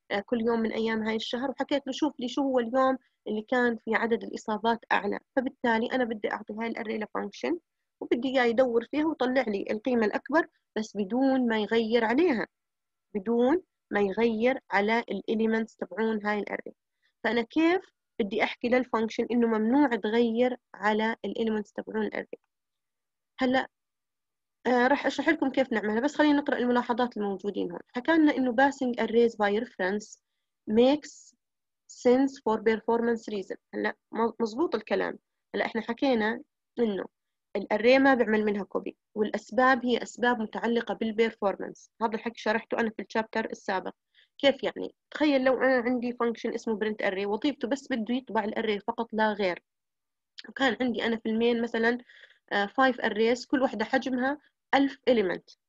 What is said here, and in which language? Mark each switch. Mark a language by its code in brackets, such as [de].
[ar] كل يوم من أيام هاي الشهر، وحكيت له شوف لي شو هو اليوم اللي كان في عدد الإصابات أعلى، فبالتالي أنا بدي أعطي هاي الأري لفانكشن وبدي إياه يدور فيها ويطلع لي القيمة الأكبر، بس بدون ما يغير عليها، بدون ما يغير على الإليمنتس تبعون هاي الأري. فأنا كيف بدي أحكي للفانكشن إنه ممنوع تغير على الإليمنتس تبعون الأري؟ هلأ راح أشرح لكم كيف نعملها، بس خلينا نقرأ الملاحظات الموجودين هون. حكالنا إنه [en] passing arrays by reference makes sense for performance reason. [ar] هلأ مظبوط الكلام. هلأ إحنا حكينا إنه الأري ما بعمل منها كوبي، والأسباب هي أسباب متعلقة بالperformance. هذا الحكي شرحته أنا في الشابتر السابق. كيف يعني؟ تخيل لو أنا عندي function اسمه print array، وظيفته بس بده يطبع الأري فقط لا غير، وكان عندي أنا في المين مثلاً 5 arrays كل واحدة حجمها 1000 element.